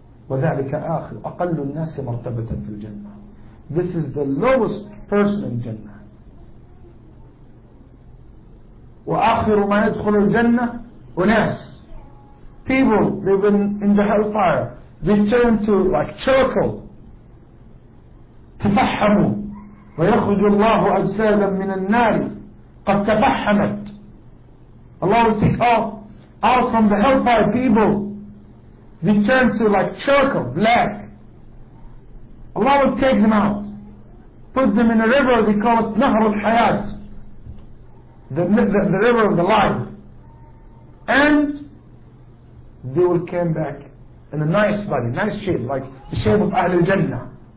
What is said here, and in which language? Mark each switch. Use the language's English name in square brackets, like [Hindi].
[Arabic] وَذَلِكَ آخِرُ أَقَلُّ النَّاسِ مَرْتَبَةً فِي الْجَنَّةِ [English] This is the lowest person in Jannah. [Arabic] وَآخِرُ مَا يَدْخُلُ الْجَنَّةِ أُنَاسِ [English] People living in the hellfire, they turn to like charcoal. [Arabic] تَفَحَّمُوا ويخرج الله أجسادا من النار قد تفحمت. [English] Allah will take out from the hellfire people return to like charcoal, black. Allah will take them out, put them in a river, they call it Nahr al-Hayat, the river of the life, and they will come back in a nice body, nice shape, like the shape of Ahlul Jannah.